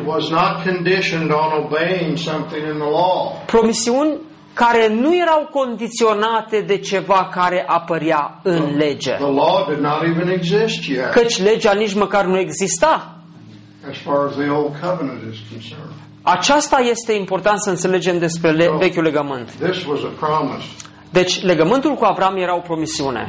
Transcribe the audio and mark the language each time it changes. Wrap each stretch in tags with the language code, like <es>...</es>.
<en>It was not conditioned on obeying something in the law.</en> <ro>Promisiuni care nu erau condiționate de ceva care apărea în lege.</ro> <en>The law did not even exist yet.</en> <ro>Căci legea nici măcar nu exista.</ro> <en>As far as the old covenant is concerned.</en> <ro>Aceasta este important să înțelegem despre vechiul legământ.</ro> <en>This was a promise.</en> <ro>Deci legământul cu Avraam era o promisiune.</ro>